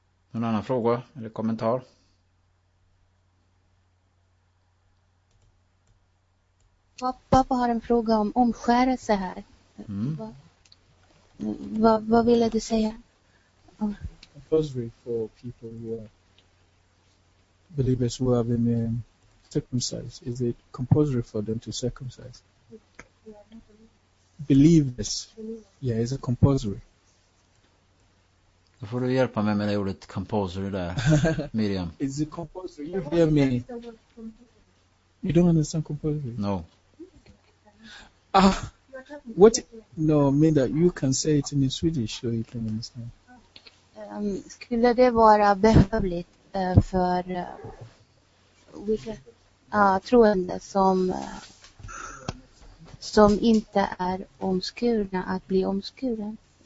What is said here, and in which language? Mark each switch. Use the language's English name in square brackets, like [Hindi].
[Swedish] Någon annan fråga eller kommentar? Pappa har en fråga om omskärelse här. Mm. Vad ville du säga? [English] A rosary for people who are believers who have been circumcised. Is it compulsory for them to circumcise? Believers. Yeah, is it compulsory? [Swedish] Då får du hjälpa mig med det ordet compulsory där, Miriam. [English] Is it compulsory? You hear me? You don't understand compulsory? No. What? No, Minda, you can say it in Swedish so you can understand. [Swedish] Skulle det vara behövligt för troende som inte är omskurna att bli omskuren?